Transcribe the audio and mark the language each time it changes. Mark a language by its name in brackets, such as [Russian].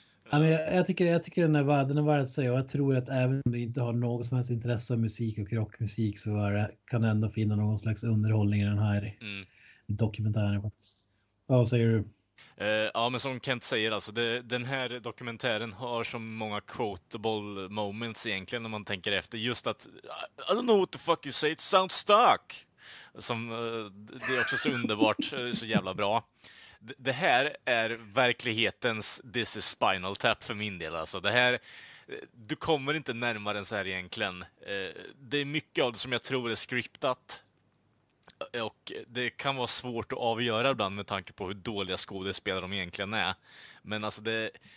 [Swedish] Ja, men jag tycker den är värd att säga, och jag tror att även om du inte har något som helst intresse av musik och rockmusik, så kan du ändå finna någon slags underhållning i den här dokumentären faktiskt. Vad säger du? Ja, men som Kent säger, alltså, den här dokumentären har så många [English] quotable moments [Swedish] egentligen när man tänker efter. [English] Just att, I don't know what the fuck you say, it sounds stuck! [Swedish] Som, det är också så underbart, så jävla bra. Det här är verklighetens This is Spinal Tap för min del. Alltså, det här, du kommer inte närmare än så här egentligen. Det är mycket av det som jag tror är scriptat. Och det kan vara svårt att avgöra ibland med tanke på hur dåliga skådespelare de egentligen är. Men alltså det...